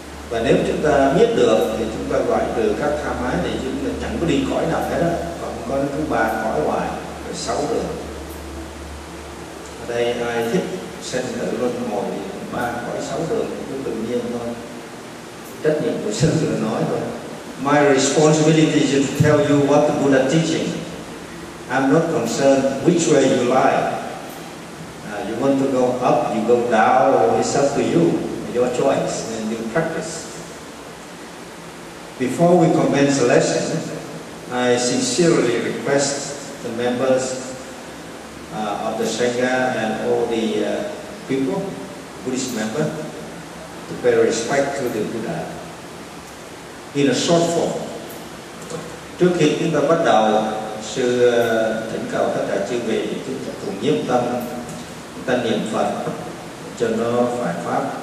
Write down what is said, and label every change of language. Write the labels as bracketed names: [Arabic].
[Vietnamese] Và nếu chúng ta biết được thì chúng ta loại trừ các tham ái thì chúng ta chẳng có đi cõi nào hết đó. Có thứ ba cõi hoài rồi sáu đường. Ở đây ai thích sinh tử luân hồi ba cõi sáu đường cũng tự nhiên thôi, trách nhiệm của sư là nói thôi. [English] My responsibility is to tell you what the Buddha teaching. I'm not concerned which way you lie. You want to go up, you go down, or it's up to you, your choice, and you practice. Before we commence the lesson, I sincerely request the members of the Sangha and all the people, Buddhist members, to pay respect to the Buddha. In a short form, [Vietnamese] trước khi chúng ta bắt đầu, sư thỉnh cầu tất cả chư vị chúng ta cùng nhiếp tâm, chúng ta niệm Phật cho nó phải pháp.